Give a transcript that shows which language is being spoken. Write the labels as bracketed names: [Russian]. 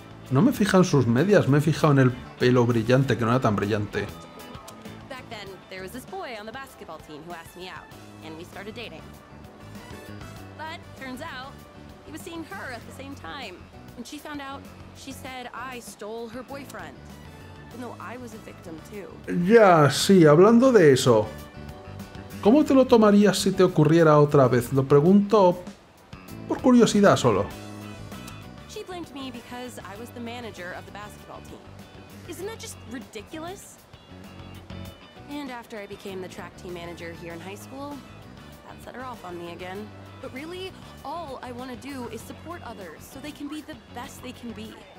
[Spanish] No me fijan sus medias, me he fijado en el pelo brillante, que no era tan brillante. [English] Back then, there was this boy on the basketball team who asked me out, and we started dating. But turns out, he was seeing her at the same time. When she found out, she said I stole her boyfriend. Even though I was a victim too. [Spanish] Ya, sí, hablando de eso. ¿Cómo te lo tomarías si te ocurriera otra vez? Lo pregunto por curiosidad solo. [English] She blamed me because I was the manager of the basketball team. Isn't that just ridiculous? And after I became the track team manager here in high school, that set her off on me again. But really, all I want to do is support others so they can be the best they can be.